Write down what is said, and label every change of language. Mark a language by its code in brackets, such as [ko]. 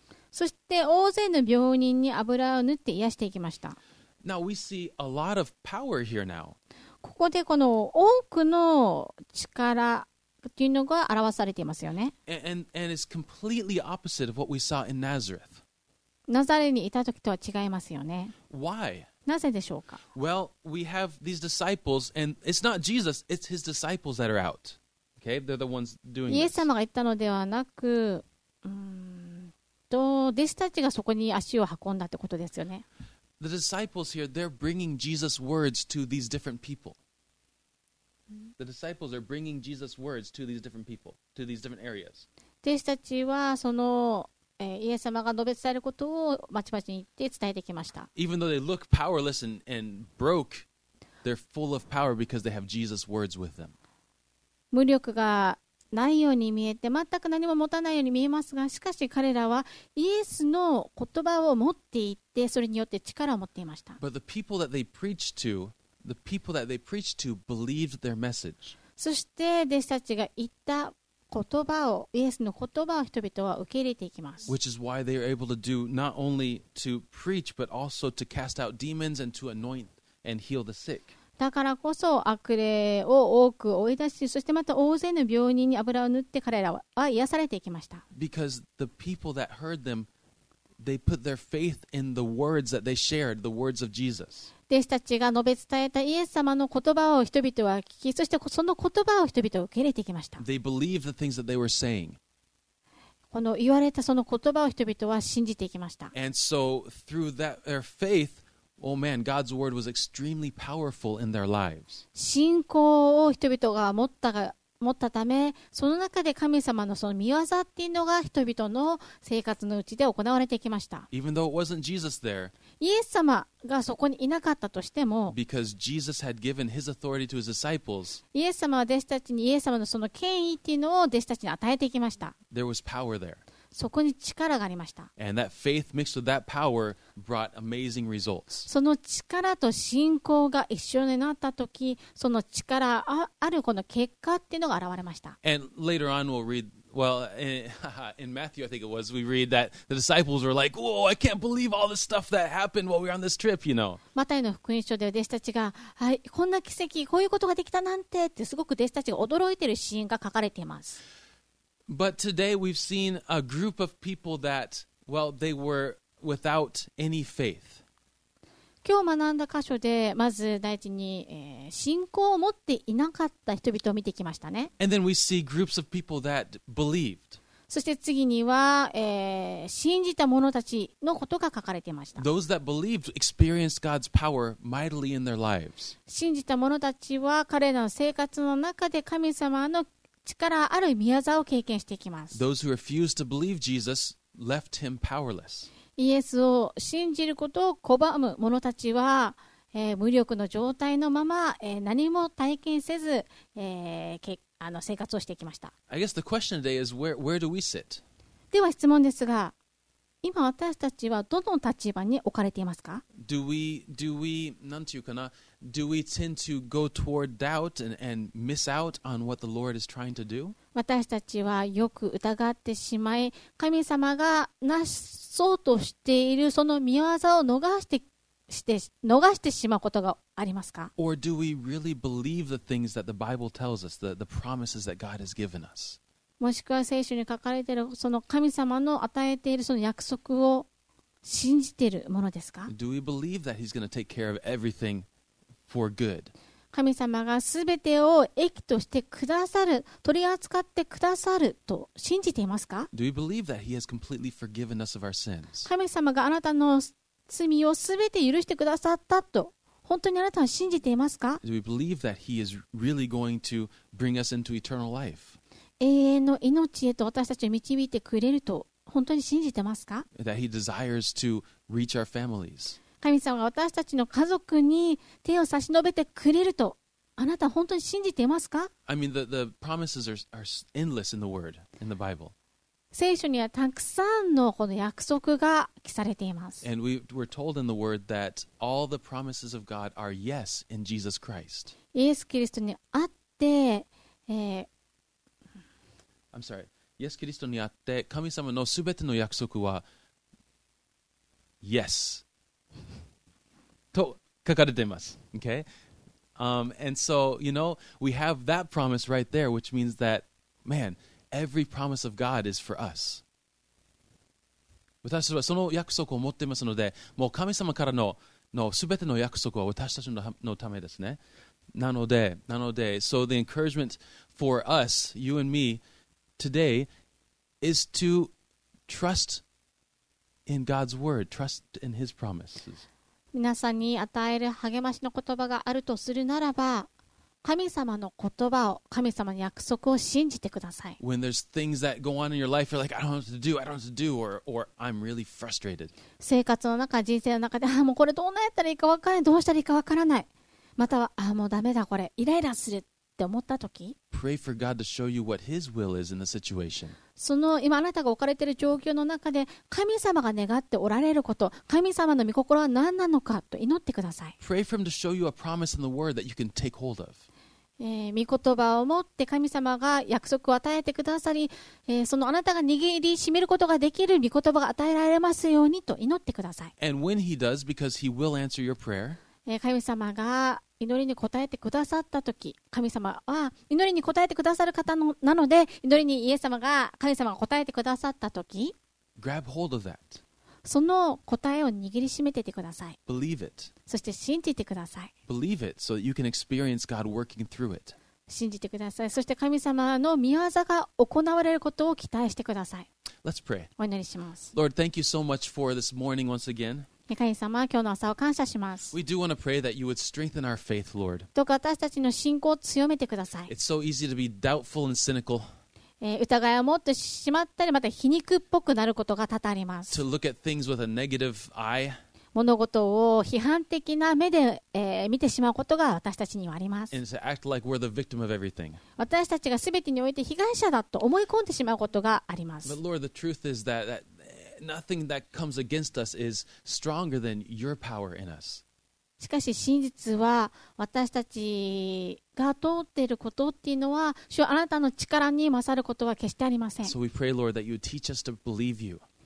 [ja] そして大勢の病人に油を塗って癒していきました。 [en] Now we see a lot of power here now. [ja] ここでこの多くの力というのが表されていますよね。 [en] and it's completely opposite of what we saw in Nazareth. [ja] ナザレにいた時とは違いますよね。 [en] Why? [ja] なぜでしょうか? [en] Well, we have these disciples, and it's not Jesus, it's his disciples that are out. Okay, they're the ones doing this. [ja] イエス様が言ったのではなく、弟子たちがそこに足を運んだってことですよね。 [en] The disciples here, they're bringing Jesus' words to these different people. The disciples are bringing Jesus' words to these different people, to these different areas. [ja] 弟子たちはそのイエス様が述べ伝えることをまちまちに言って伝えてきました。 [en] Even though they look powerless and broke, they're full of power because they have Jesus' words with them. [ja] 無力がないように見えて全く何も持たないように見えますが、しかし彼らはイエスの言葉を持っていて、それによって力を持っていました。 [en] But the people that they preached to, the people that they preached to believed their message. [ja] そして弟子たちが言った言葉を、イエスの言葉を人々は受け入れていきます。 [en] Which is why they are able to do not only to preach, but also to cast out demons and to anoint and heal the sick. [ja] だからこそ悪霊を多く追い出し、そしてまた大勢の病人に油を塗って彼らは癒されていきました。 [en] Because the people that heard them, they put their faith in the words that they shared, the words of Jesus. [ja] 弟子たちが述べ伝えたイエス様の言葉を人々は聞き、そしてその言葉を人々は受け入れてきました。 [en] They believed the things that they were saying. [ja] この言われたその言葉を人々は信じていきました。 [en] And so through that, their faith, oh man, God's word was extremely powerful in their lives. [ja] 信仰を人々が持ったため、その中で神様のその御業っていうのが人々の生活のうちで行われてきました。 [en] Even though it wasn't Jesus there, [ja] イエス様がそこにいなかったとしても、イエス様は弟子たちにイエス様のその権威っていうのを弟子たちに与えていきました。 [en] There was power there. [ja] そこに力がありました。 [en] And that faith mixed with that power brought amazing results. [ja] その力と信仰が一緒になったとき、その力あるこの結果っていうのが現れました。 [en] And later on we'll read. Well, in Matthew, I think it was, we read that the disciples were like, whoa, I can't believe all the stuff that happened while we were on this trip, you know. [ja] マタイの福音書では弟子たちが、はい、こんな奇跡、こういうことができたなんてってすごく弟子たちが驚いているシーンが書かれています。 [en] But today we've seen a group of people that, well, they were without any faith. [ja] 今日学んだ箇所でまず第一に、信仰を持っていなかった人々を見てきましたね。 [en] And then we see groups of people that believed. [ja] そして次には、信じた者たちのことが書かれていました。 [en] Those that believed experienced God's power mightily in their lives. [ja] 信じた者たちは彼らの生活の中で神様の力ある御業を経験していきます。 [en] Those who refused to believe Jesus left him powerless. [ja] イエスを信じることを拒む者たちは、無力の状態のまま、何も体験せず、あの生活をしてきました。 [en] I guess the question today is where do we sit? [ja] では質問ですが、今私たちはどの立場に置かれていますか? [en] Do we [ja] なんていうかな? [en] Do we tend to go toward doubt and miss out on what the Lord is trying to do? [ja] 私たちはよく疑ってしまい、神様がなそうとしているその御業を逃してしまうことがありますか? [en] Or do we really believe the things that the Bible tells us, the promises that God has given us? [ja] もしくは聖書に書かれているその神様の与えているその約束を信じているものですか? [en] Do we believe that he's going to take care of everything for good? [ja] 神様がすべてを益としてくださる、取り扱ってくださると信じていますか? [en] Do we believe that he has completely forgiven us of our sins? [ja] 神様があなたの罪をすべて許してくださったと本当にあなたは信じていますか? [en] Do we believe that he is really going to bring us into eternal life? [ja] 永遠の命へと私たちを導いてくれると本当に信じてますか? [en] That he desires to reach our families. [ja] 神様が私たちの家族に手を差し伸べてくれるとあなた本当に信じてますか? [en] I mean, the promises are endless in the Word, in the Bible. [ja] 聖書にはたくさんのこの約束が記されています。 [en] And we were told in the Word that all the promises of God are yes in Jesus Christ. [ja] イエス・キリストにあって、 [en] I'm sorry. [ja] イエス・キリストにあって神様のすべての約束は Yes と書かれています。 [en] Okay? And so, you know, we have that promise right there, which means that, man, every promise of God is for us. [ja] 私はその約束を持っていますので、もう神様からのすべての約束は私たちのためですね。なので、 [en] so the encouragement for us, you and me,Today is to trust in God's word, trust in His promises. [ja] 皆さんに与える励ましの言葉があるとするならば、神様の言葉を、神様の約束を信じてください。 [en] When there's things that go on in your life, you're like, I don't know what to do, or I'm really frustrated. [ja] 生活の中、人生の中で、ああ、もうこれどうなったらいいか分からない、どうしたらいいか分からない。または、ああ、もうダメだこれ、イライラする。 [en] Pray for God to show you what His will is in the situation. [ja] その今あなたが置かれている状況の中で神様が願っておられること、神様の御心は何なのかと祈ってください。 [en] Pray for Him to show you a promise in the Word that you can take hold of. [ja] 御言葉を持って神様が約束を与えてくださり、そのあなたが握りしめることができる御言葉が与えられますようにと祈ってください。 [en] And when He does, because He will answer your prayer. [ja] 神様が祈りに応えてくださったとき、神様は祈りに応えてくださる方のなので、祈りにイエス様が神様が応えてくださったとき、 [en] Grab hold of that. [ja] その答えを握りしめててください。 [en] Believe it. [ja] そして信じてください。 [en] Believe it so that you can experience God working through it. [ja] 信じてください。そして神様の御業が行われることを期待してください。 [en] Let's pray. [ja] お祈りします。 [en] Lord, thank you so much for this morning once again. [ja] 神様、今日の朝を感謝します。 [en] We do want to pray that you would strengthen our faith, Lord. [ja] どうか私たちの信仰を強めてください。 [en] It's so easy to be doubtful and cynical. [ja] 疑いを持ってしまったり、また皮肉っぽくなることが多々あります。 [en] To look at things with a negative eye. [ja] 物事を批判的な目で、見てしまうことが私たちにはあります。 [en] And to act like we're the victim of everything. [ja] 私たちが全てにおいて被害者だと思い込んでしまうことがあります。 [en] But Lord, the truth is that Nothing that comes against us is stronger than your power in us. [ja] しかし真実は私たちが通っていることっていうのは主はあなたの力に勝ることは決してありません。 [en] So we pray, Lord, that you teach us to believe you.